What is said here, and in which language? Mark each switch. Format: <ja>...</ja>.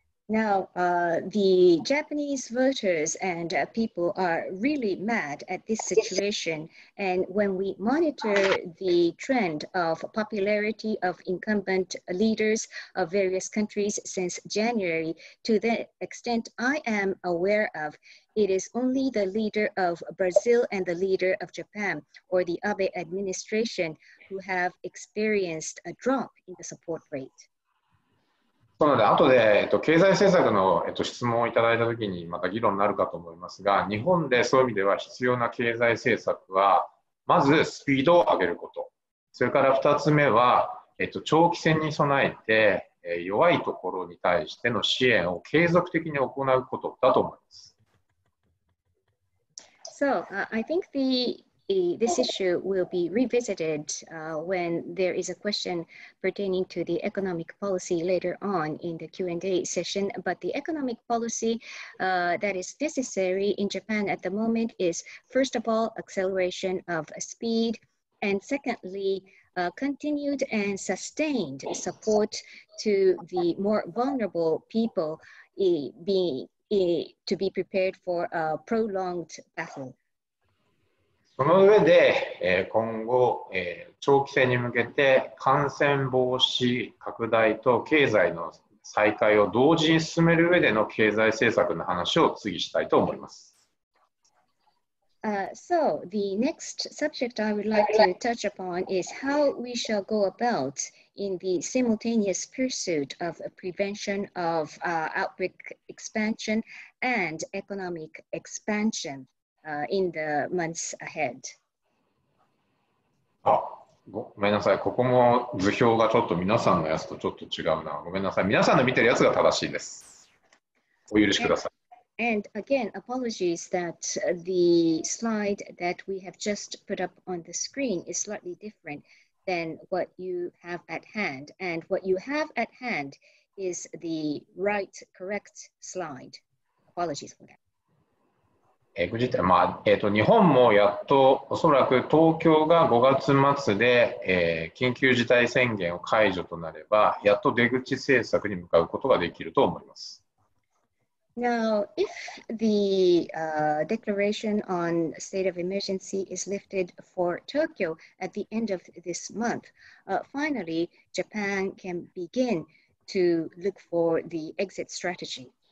<en>Now, the Japanese voters and people are really mad at this situation. And when we monitor the trend of popularity of incumbent leaders of various countries since January, to the extent I am aware of, it is only the leader of Brazil and the leader of Japan, or the Abe administration, who have experienced a drop in the support rate.</en> <ja>そうなので、あとで、経済政策の、質問をいただいたときにまた議論になるかと思いますが、日本でそういう意味では必要な経済政策は、まずスピードを上げること、それから2つ目は、長期戦に備えて、弱いところに対しての支援を継続的に行うことだと思います。</ja> <en>So, I think this issue will be revisited when there is a question pertaining to the economic policy later on in the Q&A session. But the economic policy that is necessary in Japan at the moment is, first of all, acceleration of speed, and secondly, continued and sustained support to the more vulnerable people to be prepared for a prolonged battle.</en> <ja>その上で、今後、長期戦に向けて感染防止拡大と経済の再開を同時に進める上での経済政策の話を次したいと思います。</ja> <en>So, the next subject I would like to touch upon is how we shall go about in the simultaneous pursuit of prevention of outbreak expansion and economic expansion. In the months ahead.</en> <ja>あ、ごめんなさい。ここも図表がちょっと皆さんのやつとちょっと違うな。ごめんなさい。皆さんの見てるやつが正しいです。お許しください。</ja> <en>And again, apologies that the slide that we have just put up on the screen is slightly different than what you have at hand. And what you have at hand is the right, correct slide. Apologies for that.</en> <ja>日本もやっとおそらく東京が5月末で、緊急事態宣言を解除となればやっと出口政策に向かうことができると思います。</ja> <en>Now, if the declaration on state of emergency is lifted for Tokyo at the end of this month, finally Japan can begin to look for the exit strategy.</en>